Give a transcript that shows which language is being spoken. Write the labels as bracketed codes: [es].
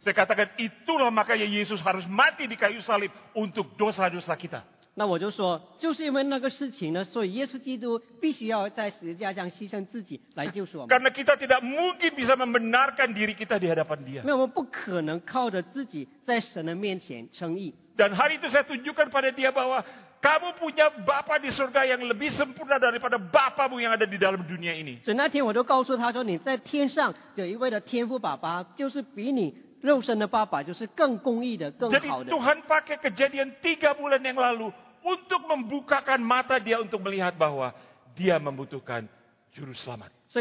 [id] Saya katakan itulah makanya Yesus harus mati di kayu salib untuk dosa-dosa kita。 [zh] 那我就说，就是因为那个事情呢，所以耶稣基督必须要在十字架上牺牲自己来救赎我们。 [id] Karena kita tidak mungkin bisa membenarkan diri kita di hadapan Dia。 [zh] 没有，我们不可能靠着自己在神的面前称义。 [id] Dan hari itu saya tunjukkan pada dia bahwa kamu punya Bapa di surga yang lebih sempurna daripada Bapamu yang ada di dalam dunia ini. [zh] So, 那天我都告诉他说，你在天上有一位的天父爸爸，就是比你肉身的爸爸，就是更公义的、更好的。 [id] Jadi Tuhan pakai kejadian 3 bulan yang lalu untuk membukakan mata dia untuk melihat bahwa dia membutuhkan juru selamat.